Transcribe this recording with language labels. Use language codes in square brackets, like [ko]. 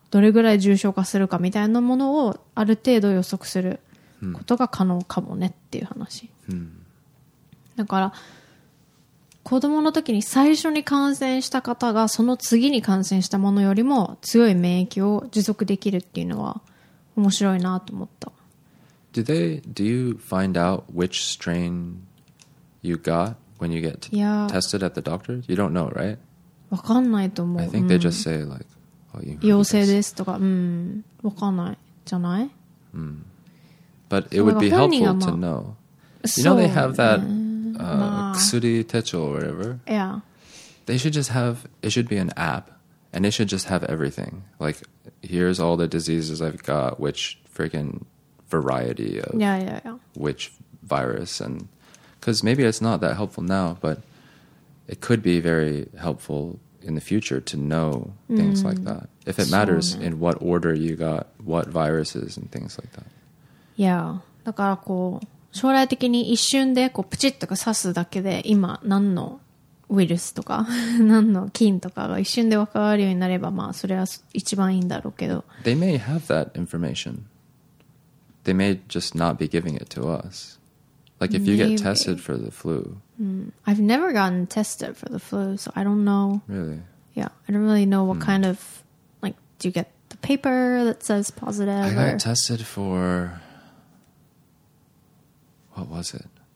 [ja] どれぐらい重症化するかみたいなものをある程度予測することが可能かもねっていう話、うんうん、だから子どもの時に最初に感染した方がその次に感染したものよりも強い免疫を持続できるっていうのは面白いなと思った。 [en] Do you find out which strain you got when you get tested at the doctor? You don't know, right? [ja] わかんないと思う。 [en] I think they just say like, oh, you [ja] 陽性ですとか、うん、わかんないじゃない？うん。 [en] But it would be helpful、まあ、to know. You know they have that、ね、薬手帳 or whatever. Yeah. They should just have. It should be an app, and it should just have everything. Like, here's all the diseases I've got. Which freaking variety of which virus, and because maybe it's not that helpful now, but it could be very helpful in the future to know things like that. If it matters in what order you got what viruses and things like that. [ja] Yeah, だからこう将来的に一瞬でこうプチッとか刺すだけで今何のウイルスとか何の菌とかが一瞬で分かるようになればまあそれは一番いいんだろうけど。 [en] They may have that information. They may just not be giving it to us. Like if you get tested for the flu. I've never gotten tested for the flu, so I don't know. Really? Yeah, I don't really know what kind of, like, do you get the paper that says positive? I got tested for, what was it?